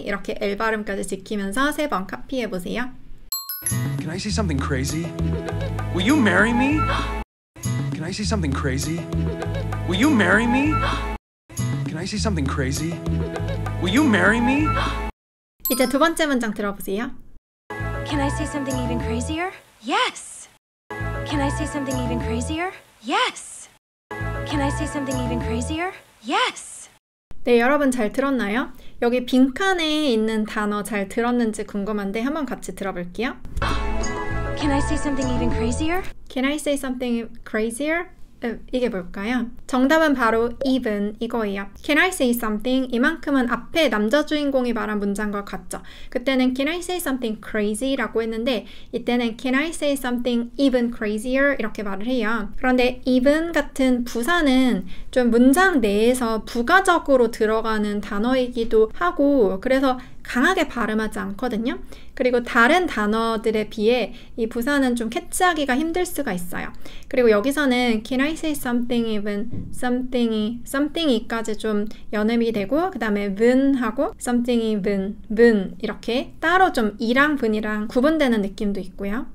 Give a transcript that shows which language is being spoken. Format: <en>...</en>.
<ko>이렇게 L 발음까지 지키면서 세 번 카피해 보세요.</ko> <en>Can I say something crazy? Will you marry me? Can I say something crazy? Will you marry me? Can I say something crazy? Will you marry me?</en> <ko>이제 두 번째 문장 들어보세요.</ko> <en>Can I say something even crazier? Yes. Can I say something even crazier? Yes. Can I say something even crazier? Yes.</en> <ko>네, 여러분 잘 들었나요? 여기 빈칸에 있는 단어 잘 들었는지 궁금한데 한번 같이 들어볼게요.</ko> <en>Can I say something even crazier? Can I say something crazier?</en> <ko>이게 뭘까요? 정답은 바로 even 이거예요.</ko> <en>Can I say something?</en> <ko>이만큼은 앞에 남자 주인공이 말한 문장과 같죠. 그때는</ko> <en>Can I say something crazy?</en> <ko>라고 했는데 이때는</ko> <en>Can I say something even crazier?</en> <ko>이렇게 말을 해요. 그런데 even 같은 부사는 좀 문장 내에서 부가적으로 들어가는 단어이기도 하고 그래서 강하게 발음하지 않거든요. 그리고 다른 단어들에 비해 이 부사는 좀 캐치하기가 힘들 수가 있어요. 그리고 여기서는</ko> <en>Can I say something even</en> <ko>something이 something이까지 좀 연음이 되고 그 다음에 분하고 something even 분 이렇게 따로 좀 이랑 분이랑 구분되는 느낌도 있고요.</ko>